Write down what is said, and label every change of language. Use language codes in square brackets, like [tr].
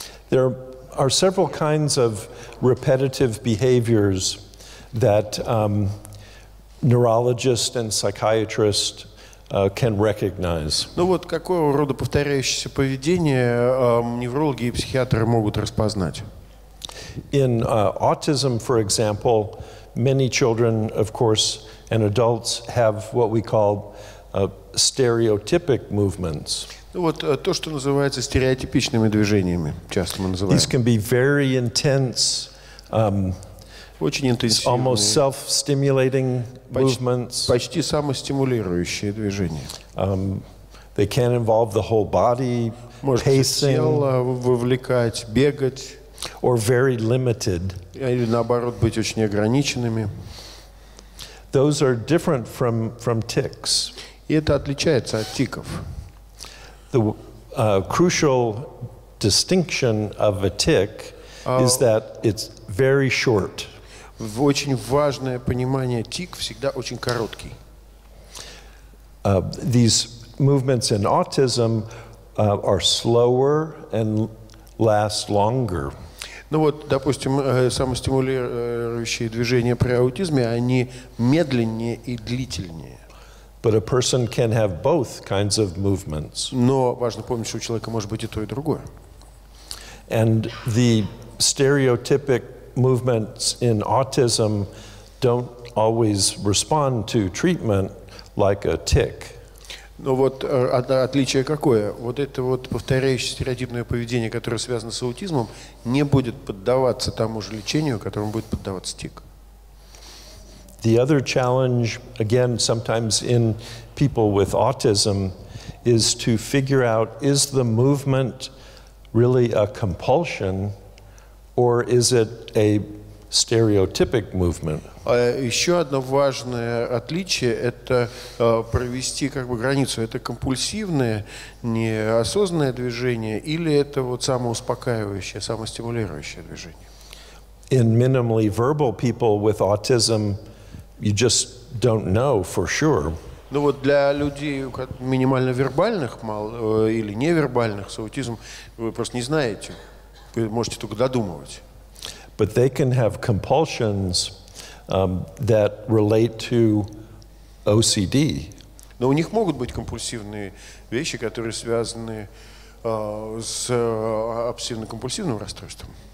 [en] There are several kinds of repetitive behaviors that neurologists and psychiatrists can recognize. [ru] Ну вот какого рода повторяющееся поведение неврологи и психиатры могут распознать? [en] In autism, for example, many children, of course, and adults have what we call stereotypic movements. [ru] Ну вот то, что называется стереотипичными движениями, часто мы называем. [en] These can be very intense. [ru] Очень интенсивные. [en] Almost self-stimulating movements. [ru] Почти самостимулирующие движения. [en] They can involve the whole body, [ru] может, [en] pacing. [ru] Тело вовлекать, бегать. [en] Or very limited. [ru] Или наоборот быть очень ограниченными. [en] Those are different from tics. [ru] И это отличается от тиков. [en] The crucial distinction of a tic is that it's very short. [ru] Очень важное понимание, тик всегда очень короткий. [en] These movements in autism are slower and last longer. [ru] Ну вот, допустим, самостимулирующие движения при аутизме, они медленнее и длительнее. [en] But a person can have both kinds of movements. [ru] Но важно помнить, что у человека может быть и то, и другое. [en] And the stereotypic movements in autism don't always respond to treatment like a tic. [ru] Ну вот отличие какое? Вот это вот повторяющееся стереотипное поведение, которое связано с аутизмом, не будет поддаваться тому же лечению, которому будет поддаваться тик. [en] The other challenge, again, sometimes in people with autism, is to figure out, is the movement really a compulsion, or is it a stereotypic movement? [ru] Еще одно важное отличие – это провести как бы границу. Это компульсивное, неосознанное движение или это вот самоуспокаивающее, самостимулирующее движение? [en] In minimally verbal people with autism, you just don't know for sure. [ru] Ну вот для людей минимально вербальных или невербальных с аутизмом вы просто не знаете. Вы можете только додумывать. [en] But they can have compulsions that relate to OCD. [ru] Но у них могут быть компульсивные вещи, которые связаны с обсессивно-компульсивным расстройством.